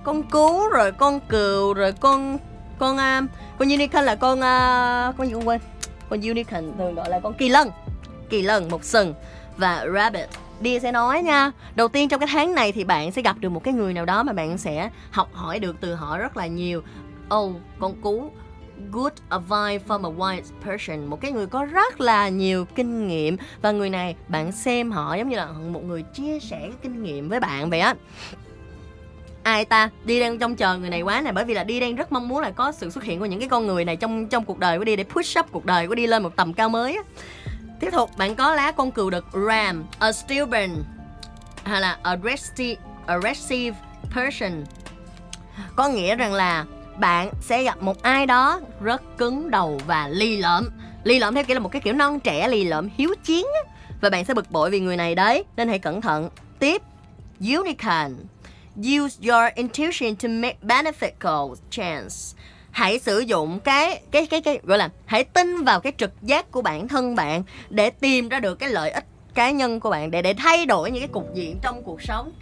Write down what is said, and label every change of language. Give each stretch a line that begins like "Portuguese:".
Vietnamese: Con cú rồi con cừu rồi con unicorn là con gì con quên. Con unicorn thường gọi là con kỳ lân. Kỳ lân một sừng. Và rabbit. Đi sẽ nói nha. Đầu tiên trong cái tháng này thì bạn sẽ gặp được một cái người nào đó mà bạn sẽ học hỏi được từ họ rất là nhiều. Oh, con cú.
English: Good advice from a wise person.
Vietnamese: Một cái người có rất là nhiều kinh nghiệm. Và người này bạn xem họ giống như là một người chia sẻ kinh nghiệm với bạn vậy á. Ai ta? Đi đang trông chờ người này quá nè. Bởi vì là Đi đang rất mong muốn là có sự xuất hiện của những cái con người này trong cuộc đời của Đi, để push up cuộc đời của Đi lên một tầm cao mới á. Tiếp tục, bạn có lá con cừu đực.
English: Ram, a stubborn
Vietnamese: hay là
English: aggressive person.
Vietnamese: Có nghĩa rằng là bạn sẽ gặp một ai đó rất cứng đầu và lì lợm. Lì lợm theo kiểu là một cái kiểu non trẻ, lì lợm, hiếu chiến. Và bạn sẽ bực bội vì người này đấy, nên hãy cẩn thận. Tiếp, unicorn.
English: Use your intuition to make beneficial chance.
Vietnamese: Hãy sử dụng cái gọi là hãy tin vào cái trực giác của bản thân bạn để tìm ra được cái lợi ích cá nhân của bạn, để thay đổi những cái cục diện trong cuộc sống.